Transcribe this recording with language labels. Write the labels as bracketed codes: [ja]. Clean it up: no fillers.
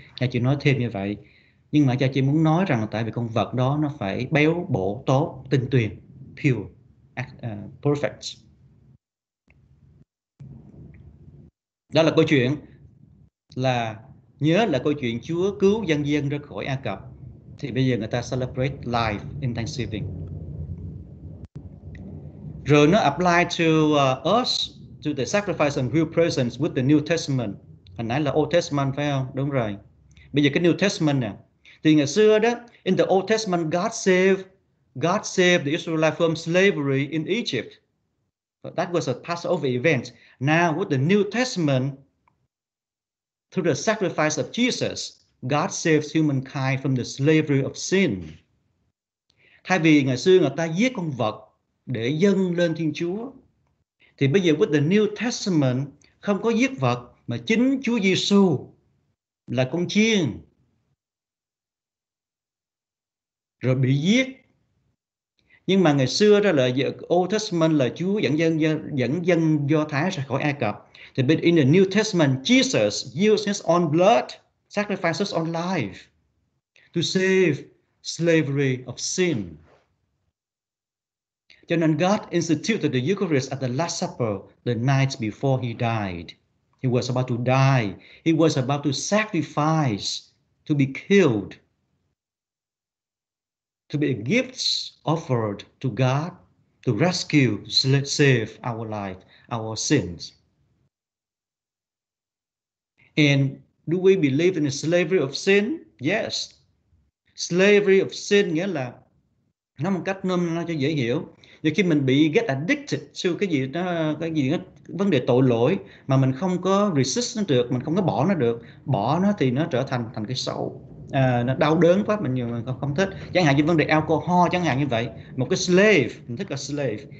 [vi] Cha chỉ nói thêm như vậy. Nhưng mà cha chỉ muốn nói rằng tại vì con vật đó nó phải béo bổ tốt, tinh tuyền, pure, perfect. Đó là câu chuyện, là nhớ là câu chuyện Chúa cứu dân dân ra khỏi Ai Cập. Thì bây giờ người ta [en] celebrate life in Thanksgiving. [vi] Rồi nó [en] apply to us, to the sacrifice and real presence with the New Testament. [vi] Hồi nãy là Old Testament phải không? Đúng rồi. Bây giờ cái New Testament nè. Thì ngày xưa đó, [en] in the Old Testament, God saved the Israelites from slavery in Egypt. But that was a Passover event. Now with the New Testament, through the sacrifice of Jesus, God saves humankind from the slavery of sin. [vi] Thay vì ngày xưa người ta giết con vật để dâng lên Thiên Chúa, thì bây giờ [en] with the New Testament [vi] không có giết vật, mà chính Chúa Giêsu là con chiên rồi bị giết. Nhưng mà ngày xưa đó là Old Testament là Chúa dẫn dân Do Thái ra khỏi Ai Cập, thì bên [en] in the New Testament Jesus used his own blood, sacrificed his own life to save slavery of sin. [vi] Cho nên [en] God instituted the Eucharist at the Last Supper the night before he died. He was about to die. He was about to sacrifice, to be killed, to be a gift offered to God to rescue, save our life, our sins. And do we believe in the slavery of sin? Yes. [vi] Slavery of sin nghĩa là, nó một cách nôm na cho dễ hiểu, thì khi mình bị [en] get addicted to [vi] cái gì đó, vấn đề tội lỗi mà mình không có resist nó được, mình không có bỏ nó được, bỏ nó thì nó trở thành cái xấu. nó đau đớn quá, mình nhiều người không thích. Chẳng hạn như vấn đề alcohol chẳng hạn như vậy, một cái slave, mình thích là slave.